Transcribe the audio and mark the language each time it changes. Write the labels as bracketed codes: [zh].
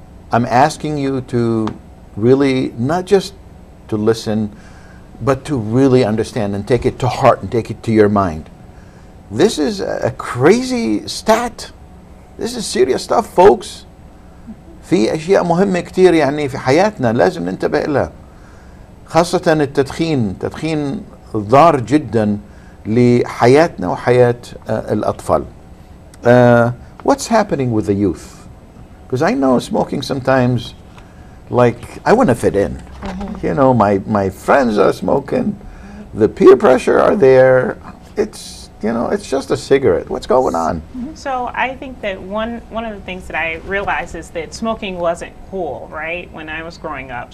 [en] I'm asking you to really not just to listen, but to really understand and take it to heart and take it to your mind. This is a crazy stat. This is serious stuff, folks. [ar] في أشياء مهمة كتير يعني في حياتنا لازم ننتبه لها. خاصة التدخين ضار جدا لحياتنا وحياة الأطفال. [en] What's happening with the youth? Because I know smoking sometimes, like, I want to fit in. You know, my friends are smoking. The peer pressure are there. It's just a cigarette. What's going on? So I think that one of the things that I realized is that smoking wasn't cool, right, when I was growing up.